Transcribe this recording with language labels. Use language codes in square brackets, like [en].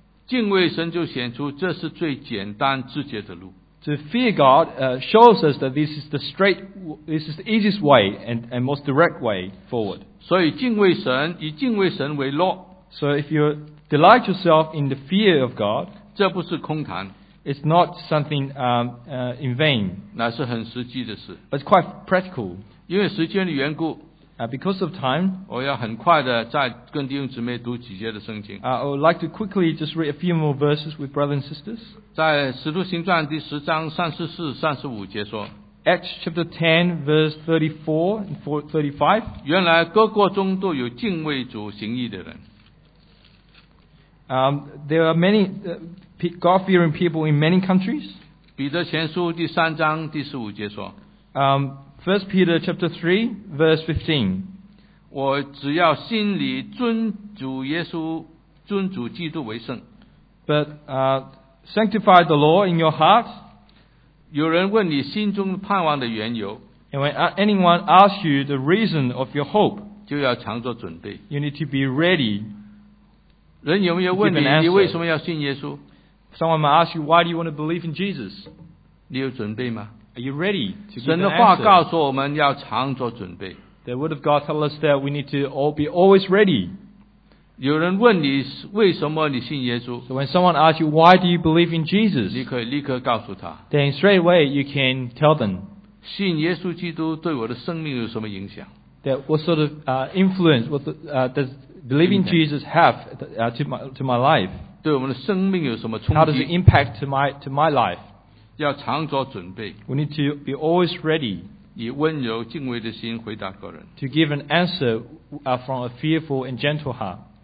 [zh] 敬畏神就显出这是最简单直接的路。 [en] To fear God shows us that this is the easiest way and most direct way forward. [zh] 所以敬畏神以敬畏神为乐。 [en] So if you delight yourself in the fear of God, [zh] 这不是空谈。 [en] It's not something in vain. [zh] 那是很实际的事。 [en] It's quite practical. [zh] 因为时间的缘故。 [en] Because of time, [zh] 我要很快的再跟弟兄姊妹读几节的圣经。 [en] I would like to quickly just read a few more verses with brothers and sisters. [zh] 在《使徒行传》第十章三十四、三十五节说 [en] ，Acts chapter 10 verse 34 and 35. [zh] 原来各国中都有敬畏主行义的人。 [en] There are many God-fearing people in many countries. [zh] 彼得前书第三章第十五节说。 [en] First Peter chapter 3 verse 15. [zh] 我只要心里尊主耶稣尊主基督为圣。 [en] But sanctify the Lord in your heart. [zh] 有人问你心中盼望的缘由。 [en] And when anyone asks you the reason of your hope, [zh] 就要常做准备。 [en] You need to be ready. [zh] 人有没有问你你为什么要信耶稣? [en] Someone might ask you, why do you want to believe in Jesus? [zh] 你有准备吗? [en] Are you ready to give an answer? [zh] 神的话告诉我们要常做准备。 [en] The word of God tells us that we need to be always ready. [zh] 有人问你为什么你信耶稣? [en] So when someone asks you, why do you believe in Jesus? [zh] 你可以立刻告诉他。 [en] Then straight away you can tell them. [zh] 信耶稣基督对我的生命有什么影响? [en] That what sort of influence does believing Jesus have to my life? [zh] 对我们的生命有什么冲击? [en] How does it impact to my life? [zh] 要常做准备。 [en] We need to be always ready. [zh] 以温柔敬畏的心回答个人。 [en] To give an answer from a fearful and gentle heart.